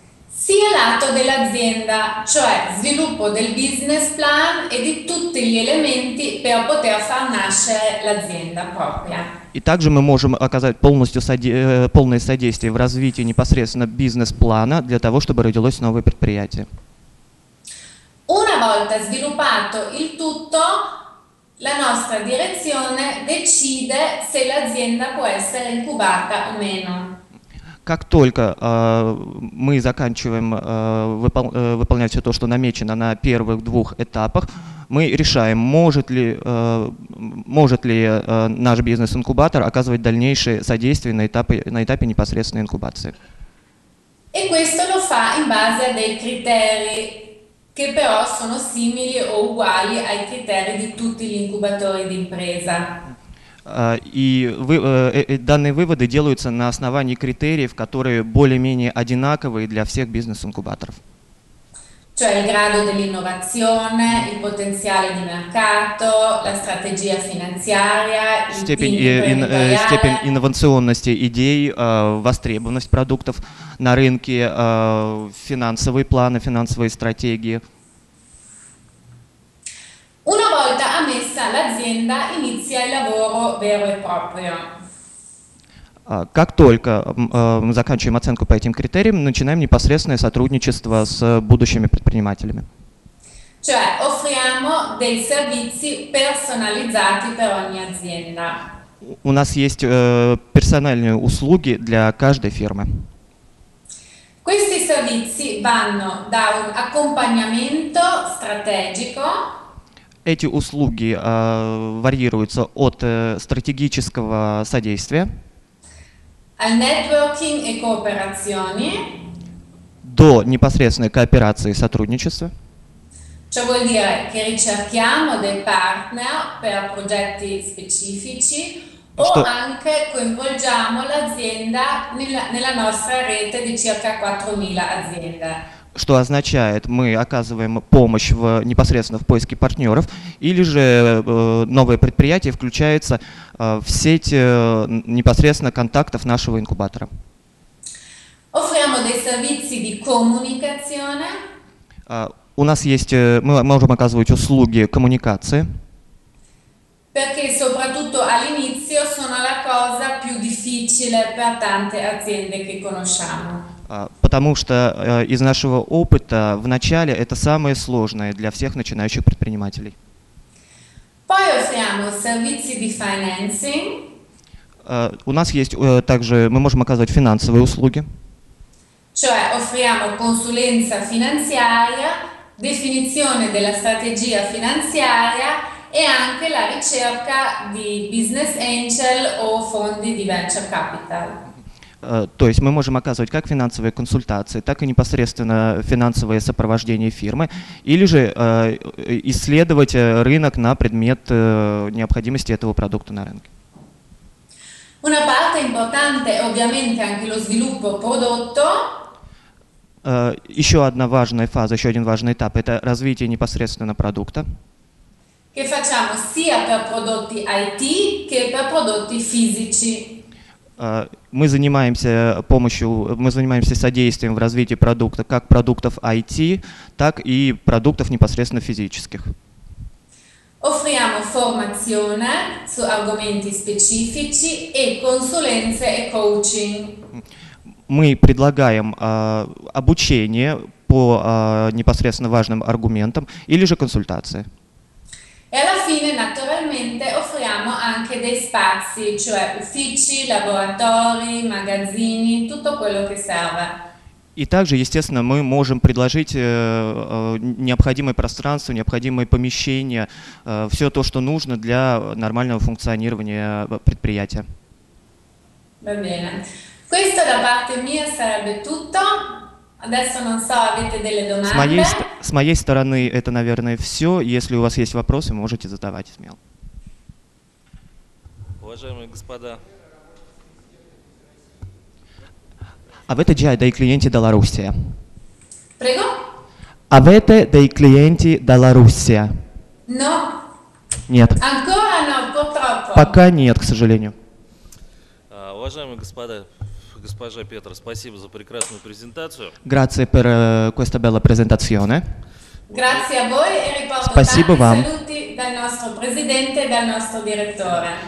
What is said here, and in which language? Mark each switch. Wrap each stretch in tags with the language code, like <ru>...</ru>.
<it>Sia lato dell'azienda, cioè sviluppo del business plan e di tutti gli elementi per poter far nascere l'azienda propria.</it> <ru>И также мы можем оказать полное содействие в развитии непосредственно бизнес-плана для того, чтобы родилось новое предприятие.</ru> <it>Una volta sviluppato il tutto, la nostra direzione decide se l'azienda può essere incubata o meno.</it> <ru>Как только мы заканчиваем выполнять все то, что намечено на первых двух этапах, мы решаем, может ли наш бизнес-инкубатор оказывать дальнейшие содействия на этапе непосредственной инкубации.</ru> <it>E questo lo fa in base a dei criteri che però sono simili o uguali ai criteri di tutti gli incubatori di impresa.</it> <ru>Данные выводы делаются на основании критериев, которые более-менее одинаковые для всех бизнес-инкубаторов.</ru> <it>Cioè il grado dell'innovazione, il potenziale di mercato, la strategia finanziaria,</it> <ru>степень инновационности идей, востребованность продуктов на рынке, финансовые планы, финансовые стратегии.</ru> <it>Una volta ammessa l'azienda, inizia il lavoro vero e proprio.</it> <ru>Как только мы заканчиваем оценку по этим критериям, начинаем непосредственное сотрудничество с будущими предпринимателями.</ru> <it>Cioè, offriamo dei servizi personalizzati per ogni azienda.</it> <ru>У нас есть персональные услуги для каждой фирмы.</ru> <it>Questi servizi vanno da un accompagnamento strategico.</it> <ru>Эти услуги варьируются от стратегического содействия.</ru> <it>Al networking e cooperazioni.</it> <ru>До непосредственной кооперации и сотрудничества.</ru> <it>Ciò vuol dire che ricerchiamo dei partner per progetti specifici o anche coinvolgiamo l'azienda nella nostra rete di circa 4.000 aziende.</it> <ru>Что означает, мы оказываем помощь непосредственно в поиске партнеров, или же новое предприятие включается в сеть непосредственно контактов нашего инкубатора.</ru> <it>Offriamo dei servizi di comunicazione.</it> <ru>У нас есть, мы можем оказывать услуги коммуникации.</ru> <it>Perché soprattutto all'inizio sono la cosa più difficile per tante aziende che conosciamo.</it> <ru>Потому что из нашего опыта в начале это самое сложное для всех начинающих предпринимателей.</ru> <it>Poi offriamo servizi di financing.</it> <ru>У нас есть также, мы можем оказывать финансовые услуги.</ru> <it>Cioè offriamo consulenza finanziaria, definizione della strategia finanziaria e anche la ricerca di business angel o fondi di venture capital.</it> <ru>То есть мы можем оказывать как финансовые консультации, так и непосредственно финансовое сопровождение фирмы, или же исследовать рынок на предмет необходимости этого продукта на рынке.</ru> <it>Una parte importante, ovviamente, anche lo sviluppo prodotto.</it> <ru>Еще одна важная фаза, еще один важный этап – это развитие непосредственно продукта.</ru> <it>Che facciamo sia per prodotti IT che per prodotti fisici.</it> <ru>Мы занимаемся помощью, мы занимаемся содействием в развитии продукта как продуктов IT, так и продуктов непосредственно физических.</ru> <it>Offriamo formazione su argomenti specifici e consulenze e coaching.</it> <ru>Мы предлагаем обучение по непосредственно важным аргументам или же консультации.</ru> <it>E alla fine, naturalmente, offriamo anche dei spazi, cioè uffici, laboratori, magazzini, tutto quello che serve.</it> <ru>И также, естественно, мы можем предложить необходимое пространство, необходимые помещения, все то, что нужно для нормального функционирования предприятия.</ru> <it>Va bene. Questo da parte mia sarebbe tutto. Adesso non so, avete delle domande?</it> <ru>С моей стороны это, наверное, все. Если у вас есть вопросы, можете задавать смело. Уважаемые господа.</ru> <it>Avete già dei clienti dalla Russia? Prego? Avete dei clienti dalla Russia? No.</it> <ru>Нет.</ru> <it>Ancora no, purtroppo.</it> <ru>Пока нет, к сожалению. Уважаемые господа. Госпожа Петра, спасибо за прекрасную презентацию.</ru> <it>Grazie per questa bella presentazione. Grazie a voi e riporto tanti saluti dal nostro presidente e dal nostro direttore.</it>